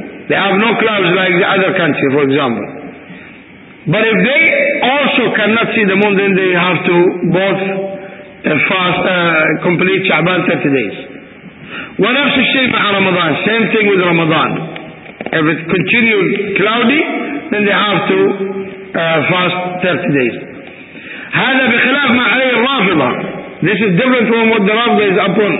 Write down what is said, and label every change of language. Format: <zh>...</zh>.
<en>They have no clouds like the other country, for example. But if they also cannot see the moon, then they have to both fast, complete Sha'ban 30 days.</en> <ar>ونفس الشيء مع رمضان,</ar> <en>same thing with Ramadan. If it continues cloudy, then they have to fast 30 days.</en> <ar>هذا بخلاف ما عليه الرافضة.</ar> <en>This is different from what the Rafida is upon.</en>